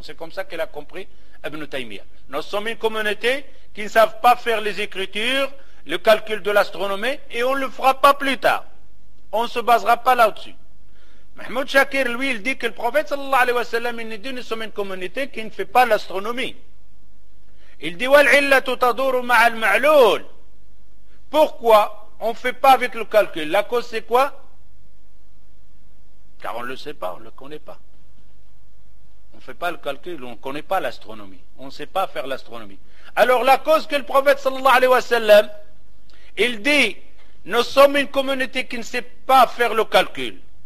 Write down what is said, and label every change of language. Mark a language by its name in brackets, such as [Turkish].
[French] C'est comme ça qu'il a compris Ibn Taymiyyah. Nous sommes une communauté qui ne savent pas faire les écritures, le calcul de l'astronomie, et on ne le fera pas plus tard. On ne se basera pas là-dessus. Mahmoud Shakir, lui, il dit que le prophète, sallallahu alayhi wa sallam, il dit, nous sommes une communauté qui ne fait pas l'astronomie. Il dit, [Arabic] وَالْعِلَّةُ تَدُورُ مَعَ الْمَعْلُولِ. [French] Pourquoi on ne fait pas avec le calcul? La cause, c'est quoi? Car on ne le sait pas, on ne le connaît pas. On ne fait pas le calcul, on ne connaît pas l'astronomie. On ne sait pas faire l'astronomie. Alors, la cause que le prophète, sallallahu alayhi wa sallam, il dit, nous sommes une communauté qui ne sait pas faire le calcul.